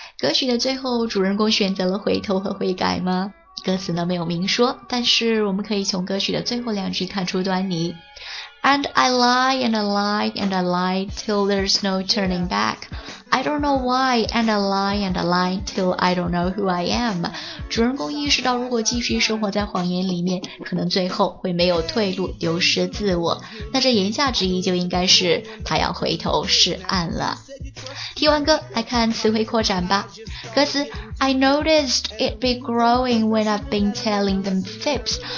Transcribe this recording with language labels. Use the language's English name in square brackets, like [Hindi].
[Chinese] 歌曲的最后，主人公选择了回头和悔改吗？歌词呢没有明说，但是我们可以从歌曲的最后两句看出端倪。 [English] And I lie and I lie and I lie till there's no turning back. I don't know why and I lie and I lie till I don't know who I am. [Chinese] 主人公意识到如果继续生活在谎言里面，可能最后会没有退路，丢失自我。那这言下之意就应该是他要回头是岸了。听完歌来看词汇扩展吧。歌词 [English] I noticed it be growing when I've been telling them fibs.